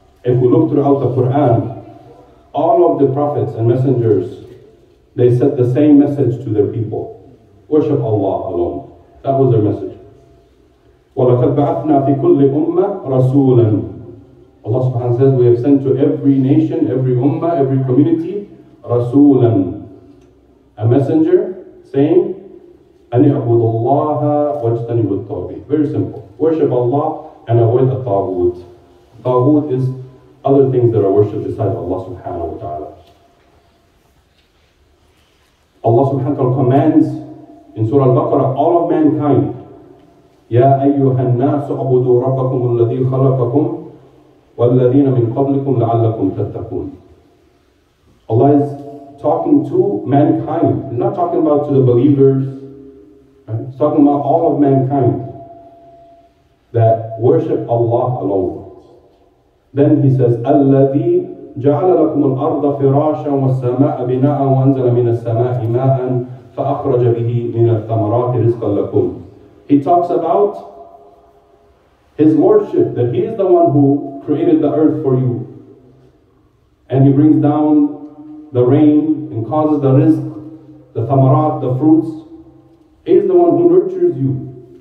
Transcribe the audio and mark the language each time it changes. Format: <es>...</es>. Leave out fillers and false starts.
<en>If we look throughout the Quran, all of the prophets and messengers, they sent the same message to their people. Worship Allah alone. That was their message.</en> <ar>وَلَكَدْ بَعَثْنَا فِي كُلِّ أُمَّةِ رَسُولًا.</ar> <en>Allah subhanahu wa ta'ala says, we have sent to every nation, every ummah, every community, رَسُولًا. A messenger saying,</en> <ar>أَنْ يَعْبُدُ اللَّهَ وَاجْتَنِبُ الطَّاغُوتِ.</ar> <en>Very simple. Worship Allah and avoid the tawhid. Tawhid is other things that are worshipped besides Allah subhanahu wa ta'ala. Allah subhanahu wa ta'ala commands in Surah Al-Baqarah all of mankind,</en> <ar>يَا أَيُّهَا النَّاسُ عَبُدُوا رَبَّكُمُ الَّذِي خَلَقَكُمْ وَالَّذِينَ مِنْ قَبْلِكُمْ لَعَلَّكُمْ تَتَّقُونَ.</ar> <en>Allah is talking to mankind. He's not talking about to the believers. He's talking about all of mankind that worship Allah alone. Then he says,</en> <ar>الَّذِي جَعَلَ لَكُمُ الْأَرْضَ فِرَاشًا وَالسَّمَاءَ بِنَاءً وَأَنزَلَ مِنَ السَّمَاءِ مَاءً فَأَخْرَجَ بِهِ مِنَ الثَّمَرَاتِ رِزْقًا لَكُمْ.</ar> <en>He talks about his lordship, that he is the one who created the earth for you. And he brings down the rain and causes the rizq, the thamarat, the fruits. He is the one who nurtures you.</en>